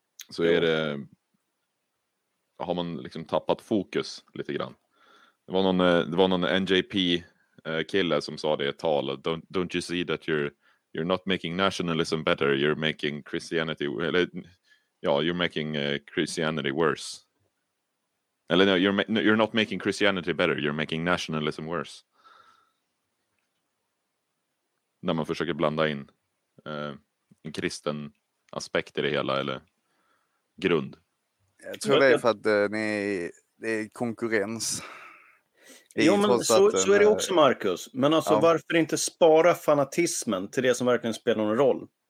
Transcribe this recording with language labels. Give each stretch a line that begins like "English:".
Swedish: Så är det, har man liksom tappat fokus lite grann. Det var någon NJP-kille som sa det i ett tal.
English: Don't you see that you're not making nationalism better, you're making Christianity,
Swedish: eller, ja,
English: you're making Christianity worse.
Swedish: Eller
English: no, you're not making Christianity better, you're making nationalism worse.
Swedish: När man försöker blanda in en kristen aspekt i det hela, eller grund. Jag tror det är för att det är konkurrens. Jo, men så är det också, Marcus. Men alltså, ja. Varför inte spara fanatismen till det som verkligen spelar någon roll?